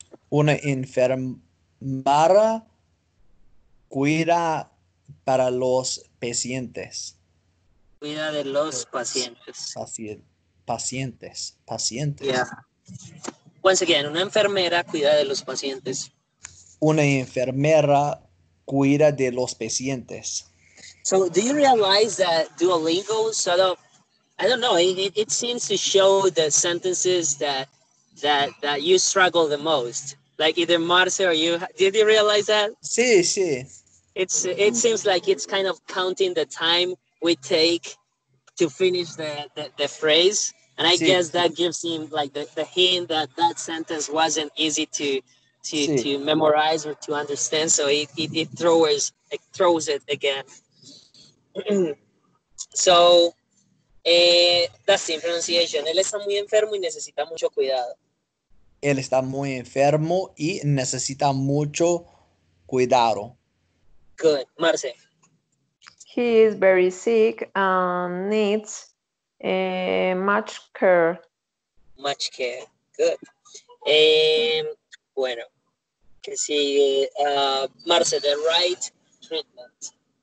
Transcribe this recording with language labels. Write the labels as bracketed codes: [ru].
[es] Una enfermera cuida para los pacientes. Cuida de los pacientes. Pacientes. [en] Yeah. Once again, [es] una enfermera cuida de los pacientes. Una enfermera cuida de los pacientes. [en] So, do you realize that Duolingo sort of, I don't know, it seems to show the sentences that you struggle the most. Like either Mars or you. Did you realize that? [es] Sí, sí. [en] It seems like it's kind of counting the time we take to finish the phrase. And I sí. guess that gives him like the hint that that sentence wasn't easy to memorize or to understand. So it throws it again. So, Dustin, pronunciation. [es] Él está muy enfermo y necesita mucho cuidado. Él está muy enfermo y necesita mucho cuidado. [en] Good. Marce. He is very sick and needs much care. Much care. Good. [es] Bueno. Que sigue. [en] Marce, the right treatment.